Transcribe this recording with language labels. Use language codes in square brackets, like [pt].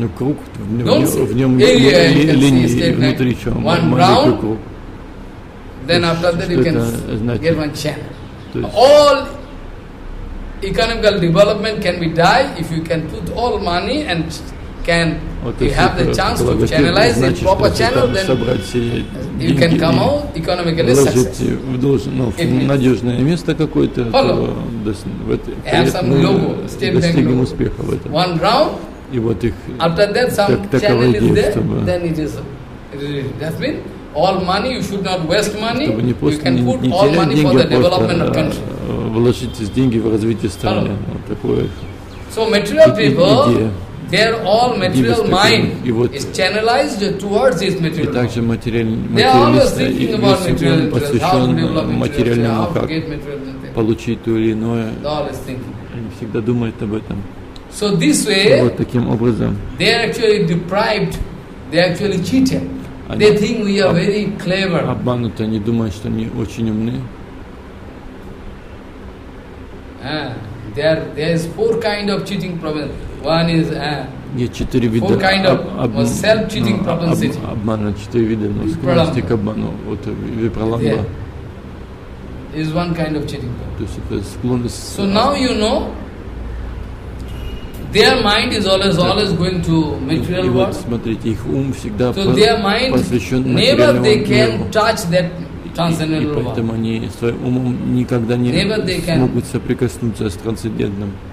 [ru] Ну круг в нем линии внутри чего [en] one round. Then after that you can get one channel. All economical development can be die if you can put all money and can you have the chance to channelize in proper channel, then you can come out economically successful. Have some logo, state bank logo. One round, after that some channel is there, then it is. That's mean all money, you should not waste money, you can put all money for the development of country. [ru] Вложить деньги в развитие страны. Вот такое. [en] So material people, they're all material mind is channelized towards this material. [ru] И также материалисты, посвящен материальному, как получить то или иное. Они всегда думают об этом. [en] So this way, [ru] вот таким образом, [en] they're actually deprived, they're actually cheated. They think we are very clever. [ru] Обмануты, они думают, что они очень умны. [en] There is four kind of cheating problems. One is four kind of self cheating problems. [ru] Обмана четыре вида, но склонности к обману. Вот випраламба. [en] Is one kind of cheating problem. So now you know their mind is always going to material world. [ru] И вот смотрите, их ум всегда посвящен материальному миру. [en] Never they can touch that. [ru] И поэтому они своим умом никогда не смогут соприкоснуться с трансцендентным.